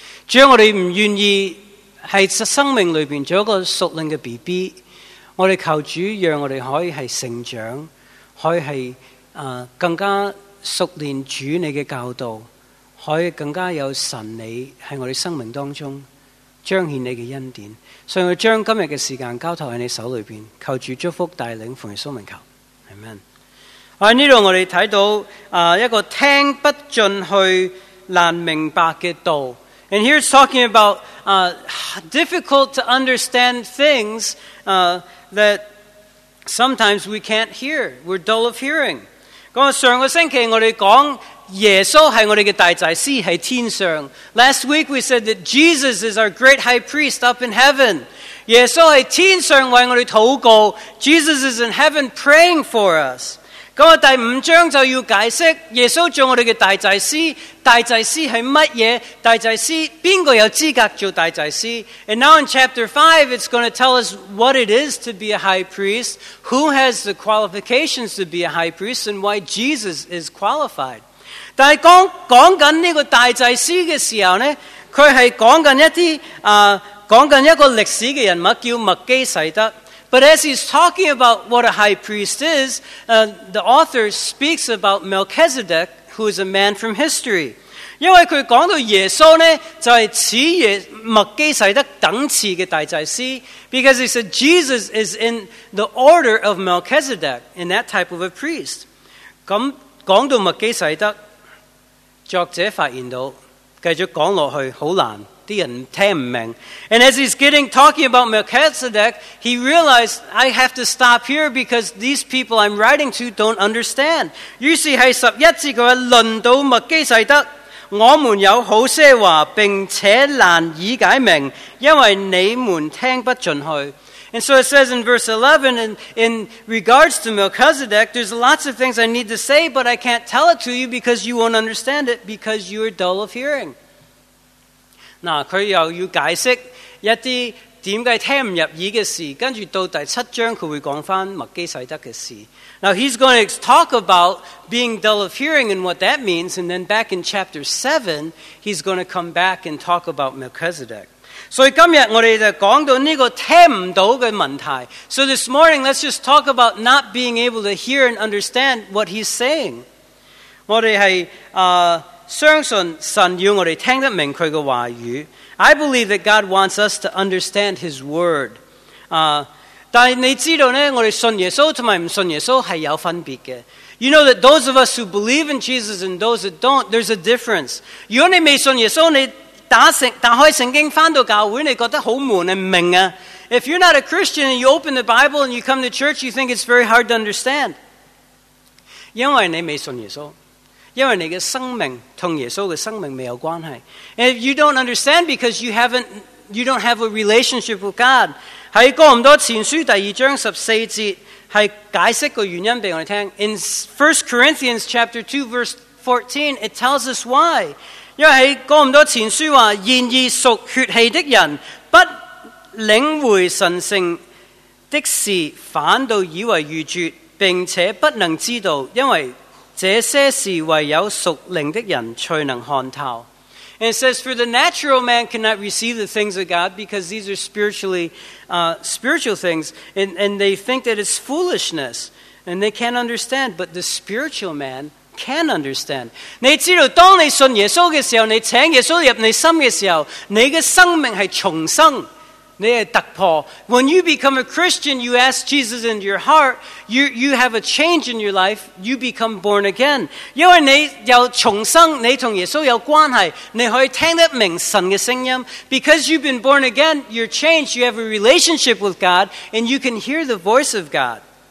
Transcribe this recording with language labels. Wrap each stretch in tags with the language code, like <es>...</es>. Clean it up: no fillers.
<yue>主要我们不愿意在生命里面做一个熟练的 BB， 我们求主让我们可以成长，可以更加熟练主你的教导，可以更加有神你在我们生命当中彰显你的恩典。所以我将今天的时间交托在你手里面，求主祝福带领，奉耶稣名求， Amen。在这里我们看到一个听不进去难明白的道。</yue> <en>And here it's talking about difficult to understand things that sometimes we can't hear. We're dull of hearing.</en> <yue>上个星期我们讲耶稣是我们的大祭司，是天上。</yue> <en>Last week we said that Jesus is our great high priest up in heaven.</en> <yue>耶稣是天上为我们祷告，</yue> <en>Jesus is in heaven praying for us。</en> <yue>咁啊，第五章就要解释耶稣做我哋嘅大祭司，大祭司系乜嘢？大祭司边个有资格做大祭司</yue> <en>？And now in chapter 5, it's going to tell us what it is to be a high priest, who has the qualifications to be a high priest, and why Jesus is qualified.</en> <yue>但系讲紧呢个大祭司嘅时候咧，佢系讲紧一啲讲紧一个历史嘅人物叫麦基洗德。</yue> <en>But as he's talking about what a high priest is, the author speaks about Melchizedek, who is a man from history.</en> <yue>因为他讲到耶稣呢，就是似耶麦基洗德等次的大祭司。</yue> <en>Because he said Jesus is in the order of Melchizedek, in that type of a priest.</en> <yue>咁讲到麦基洗德，作者发现到，继续讲落去好难。</yue> <en>And as he's getting talking about Melchizedek, he realized, I have to stop here because these people I'm writing to don't understand.</en> <yue>于是在十一节他说，轮到麦基洗德，我们有好些话，并且难以解明，因为你们听不进去。</yue> <en>And so it says in verse 11, and in regards to Melchizedek, there's lots of things I need to say, but I can't tell it to you because you won't understand it because you are dull of hearing.</en> <yue>嗱，佢又要解釋一啲點解聽唔入耳嘅事，跟住到第七章佢會講翻麥基洗德嘅事。</yue> <en>Now he's going to talk about being dull of hearing and what that means, and then back in chapter 7, he's going to come back and talk about Melchizedek.</en> <yue>所以今日我哋就講到呢個聽唔到嘅問題。</yue> <en>So this morning, let's just talk about not being able to hear and understand what he's saying.</en> <yue>我哋係相信神要我们听得明他的话语。</yue> <en>I believe that God wants us to understand his word.</en> <yue>但是你知道呢，我们信耶稣和不信耶稣是有分别的。</yue> <en>You know that those of us who believe in Jesus and those that don't, there's a difference.</en> <yue>如果你没信耶稣，你打开圣经回到教会，你觉得很闷，你不明白。</yue> <en>If you're not a Christian and you open the Bible and you come to church, you think it's very hard to understand.</en> <yue>因为你没信耶稣，因为你的生命跟耶稣的生命没有关系。</yue> <en>And you don't understand because you don't have a relationship with God.</en> <yue>在哥林多前书第二章十四节是解释个原因给我们听。</yue> <en>In 1 Corinthians chapter 2 verse 14, it tells us why.</en> <yue>因为在哥林多前书说，然而属血气的人不领会神圣的事，反倒以为愚拙，并且不能知道，因为这些事唯有属灵的人才能看透。</yue> <en>And it says, for the natural man cannot receive the things of God because these are spiritual things, and they think that it's foolishness and they can't understand, but the spiritual man can understand.</en> <yue>你知道当你信耶稣的时候，你请耶稣入你心嘅时候，你嘅生命系重生。</yue> <en>When you become a Christian, you ask Jesus into your heart, you have a change in your life, you become born again.</en> <yue>因为你有重生，你同耶稣有关系，你可以听得明神嘅声音。</yue> <en>Because you've been born again, you're changed, you have a relationship with God, and you can hear the voice of God.</en>